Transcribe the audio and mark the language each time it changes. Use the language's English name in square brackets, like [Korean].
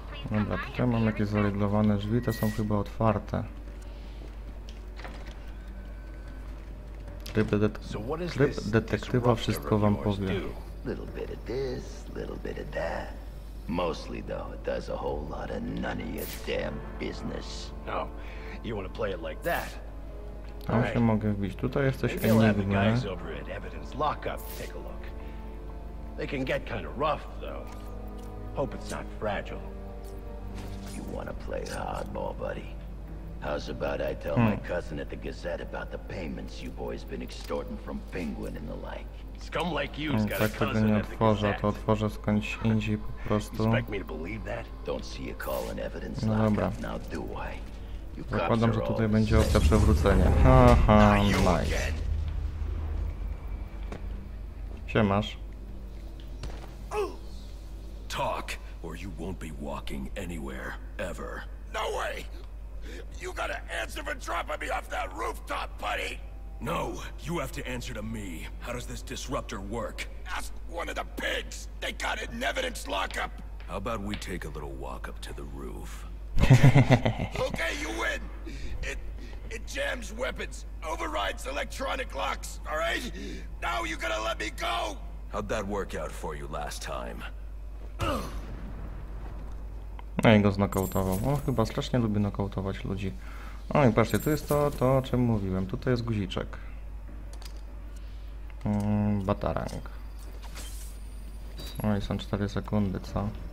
[Polish] Dobra, tutaj mam jakieś zareglowane drzwi. Te są chyba otwarte. Tryb detektywa wszystko wam powie. [English] Little bit of this, little bit of that. Mostly, though, it does a whole lot of none of your damn business. No, you want to play it like that? [Polish] Tam się mogę wbić. Tutaj jest coś enigmy. [English] Guys over at Evidence Lockup, take a look. They can get kind of rough, though. Hope it's not fragile. You want to play hardball, buddy? How's about I tell my cousin at the Gazette about the payments you boys been extorting from Penguin and the like? Scum like you's got a cousin at the Gazette. [Polish] To otworzę skądś indziej po prostu. [English] Expect me to believe that? Don't see you calling Evidence Lockup now, do I? [Polish] Zakładam, że tutaj będzie opcja przewrócenia. [English] Haha, nice. [Polish] Siemasz. [English] Talk, or you won't be walking anywhere, ever. No way! You gotta answer for dropping me off that rooftop, buddy! No, you have to answer to me. How does this disruptor work? Ask one of the pigs! They got it in Evidence Lockup! How about we take a little walk up to the roof? Okay, you win! It jams weapons, overrides electronic locks, alright? Now you gotta let me go! How'd that work out for you last time? [Polish] No i go znokautował. On chyba strasznie lubi nokautować ludzi. O i patrzcie, tu jest to o czym mówiłem. Tutaj jest guziczek. Batarang. No i są 4 sekundy, co?